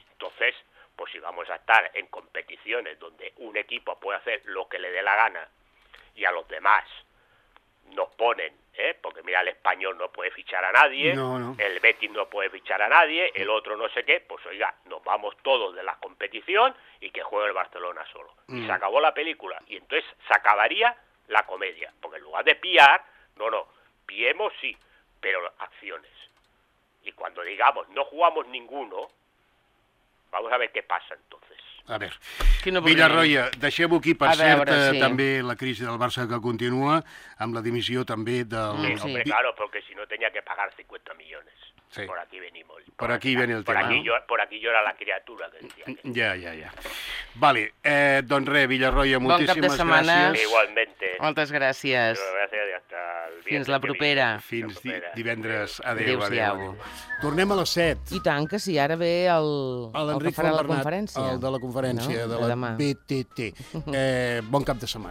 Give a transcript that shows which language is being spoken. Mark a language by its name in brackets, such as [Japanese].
[Spanish] Entonces, pues si vamos a estar en competiciones donde un equipo puede hacer lo que le dé la gana y a los demás nos ponen, porque mira, el Español no puede fichar a nadie, el Betis no puede fichar a nadie, el otro no sé qué, pues oiga, nos vamos todos de la competición y que juegue el Barcelona solo. Y se acabó la película, y entonces se acabaría la comedia, porque en lugar de piar, piemos sí, pero acciones. Y cuando digamos, no jugamos ninguno, vamos a ver qué pasa entonces. [Catalan] A veure, Villarroia, deixem-ho aquí, per cert, també la crisi del Barça que continua, amb la dimissió també del... [Spanish] Claro, porque si no tenía que pagar 50 millones. Sí. Por aquí venimos. Por aquí viene el tema. Por aquí yo era la criatura que decía. [Catalan] Ja. Vale, doncs res, Villarroia, moltíssimes gràcies. Bon cap de setmana. [Spanish] Igualmente. [Catalan] Moltes gràcies. Fins la propera. Fins divendres. Adéu-siau. Tornem a les 7. I tant, que sí, ara ve el que farà la conferència. El de la conferència, de la BTT. Bon cap de setmana.